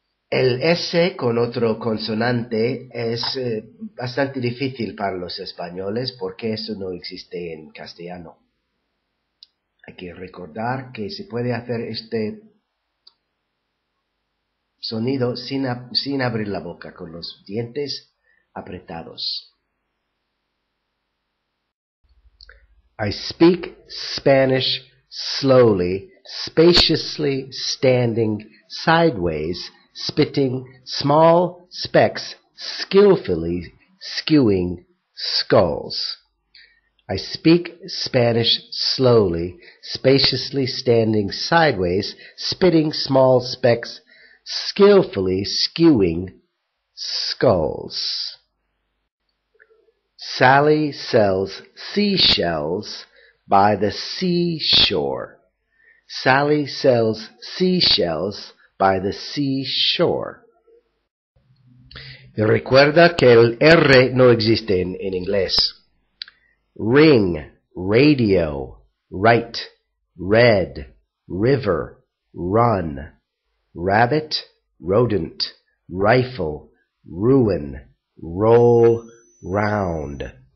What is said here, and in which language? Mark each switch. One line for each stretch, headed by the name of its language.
Spanish: El S con otro consonante es bastante difícil para los españoles porque eso no existe en castellano. Hay que recordar que se puede hacer este sonido sin abrir la boca, con los dientes apretados.
English: I speak Spanish slowly, spaciously standing sideways, spitting small specks, skillfully skewing skulls. I speak Spanish slowly, spaciously standing sideways, spitting small specks, skillfully skewing skulls. Sally sells seashells by the seashore. Sally sells seashells by the seashore.
Spanish: Y recuerda que el R no existe en inglés.
English: Ring, radio, right, red, river, run, rabbit, rodent, rifle, ruin, roll, round.